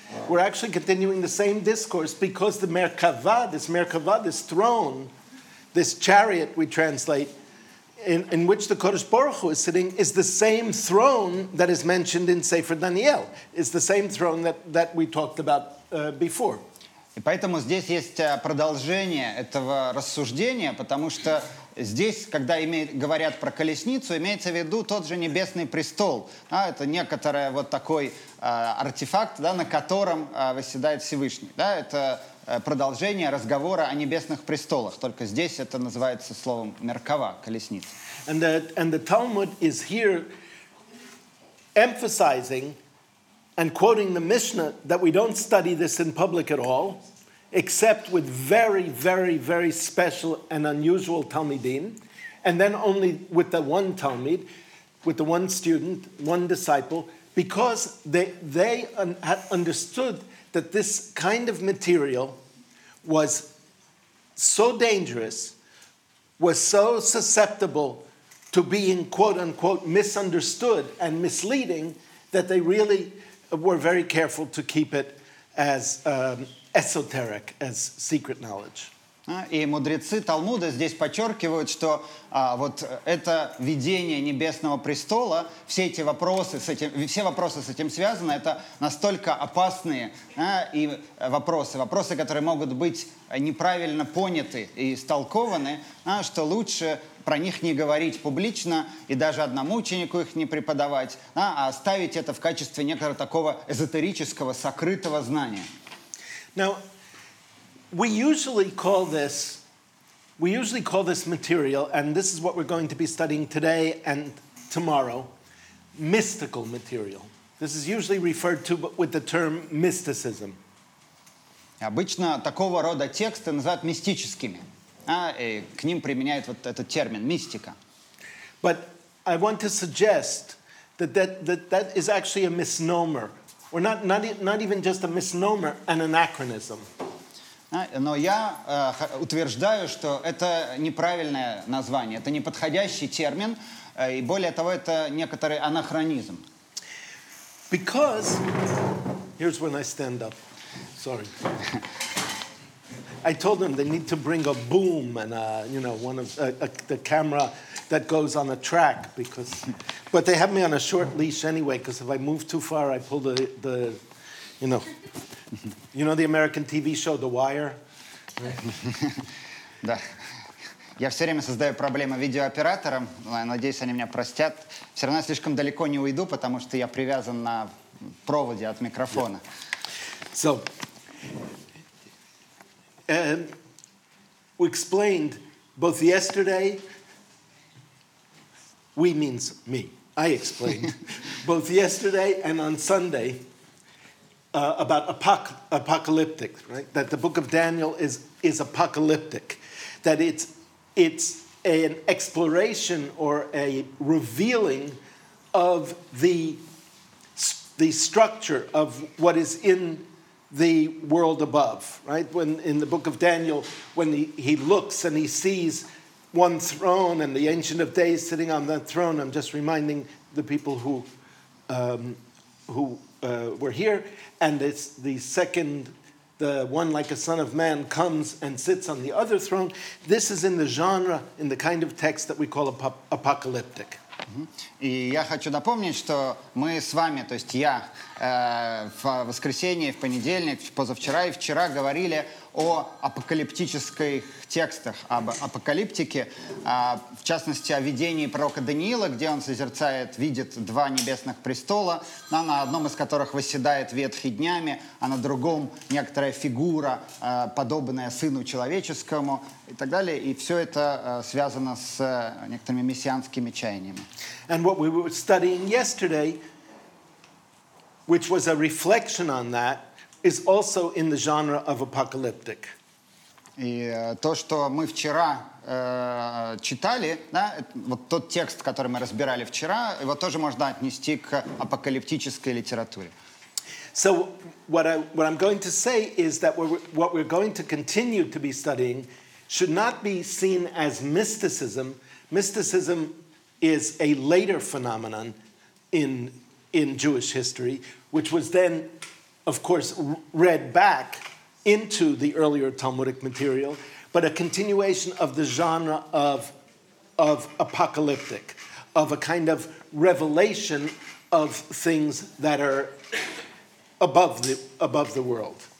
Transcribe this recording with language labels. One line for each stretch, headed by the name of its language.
English: We're actually continuing the same discourse because the Merkava, this throne, this chariot we translate, in which the Kodesh Baruch Hu is sitting, is the same throne that is mentioned in Sefer Daniel. It's the same throne that we talked about before.
Russian: И поэтому здесь есть продолжение этого рассуждения, потому что здесь, когда говорят про колесницу, имеется в виду тот же небесный престол. А, это некоторый вот такой артефакт, да, на котором восседает Всевышний. Да, это продолжение разговора о небесных престолах. Только здесь это называется словом «меркава» — колесница.
English: And the Talmud is here emphasizing and quoting the Mishnah that we don't study this in public at all, except with very, very, very special and unusual Talmidim, and then only with the one Talmid, with the one student, one disciple, because they understood that this kind of material was so dangerous, was so susceptible to being, quote-unquote, misunderstood and misleading, that they really were very careful to keep it as esoteric, as secret knowledge.
Russian: И мудрецы Талмуда здесь подчеркивают, что вот это видение небесного престола, все вопросы с этим связаны, это настолько опасные и вопросы, которые могут быть неправильно поняты и истолкованы, что лучше про них не говорить публично и даже одному ученику их не преподавать, а оставить это в качестве некоторого такого эзотерического сокрытого знания.
English: Now, we usually call this material, and this is what we're going to be studying today and tomorrow, mystical material. This is usually referred to with the term mysticism.
Russian: Обычно такого рода тексты называют мистическими, и к ним применяют вот этот термин мистика.
English: But I want to suggest that is actually a misnomer. Or not even just a misnomer, an anachronism.
Russian: Но я утверждаю, что это неправильное название, это неподходящий термин, и более того, это некоторый анахронизм.
English: Because here's when I stand up. Sorry. I told them they need to bring a boom and the camera that goes on a track because, but they have me on a short leash anyway because if I move too far, I pull the the American TV show The Wire.
Russian: Да, я все время создаю проблемы видеооператорам. Надеюсь, они меня простят. Все равно слишком далеко не уйду, потому что я привязан на проводе от микрофона.
English: So. We explained both yesterday, we means me, I explained, both yesterday and on Sunday about apocalyptic, right? That the book of Daniel is apocalyptic, that it's an exploration or a revealing of the structure of what is in the world above, right? When in the book of Daniel, when he looks and he sees one throne and the Ancient of Days sitting on that throne, I'm just reminding the people who were here, and it's the second, the one like a son of man comes and sits on the other throne. This is in the genre, in the kind of text that we call apocalyptic.
Russian: И я хочу напомнить, что мы с вами, то есть я, в воскресенье, в понедельник, позавчера и вчера говорили о апокалиптических текстах, об апокалиптике, в частности, о видении пророка Даниила, где он созерцает, видит два небесных престола, на одном из которых восседает ветхий днями, а на другом некоторая фигура, подобная сыну человеческому и так далее. И все это связано с некоторыми мессианскими чаяниями.
English: And what we were studying yesterday, which was a reflection on that, is also in the genre of apocalyptic.
Russian: И то, что мы вчера читали, да, вот тот текст, который мы разбирали вчера, его тоже можно отнести к апокалиптической литературе.
English: So what I'm going to say is that what we're going to continue to be studying should not be seen as mysticism. Mysticism is a later phenomenon. in Jewish history, which was then, of course, read back into the earlier Talmudic material, but a continuation of the genre of apocalyptic, of a kind of revelation of things that are above the world.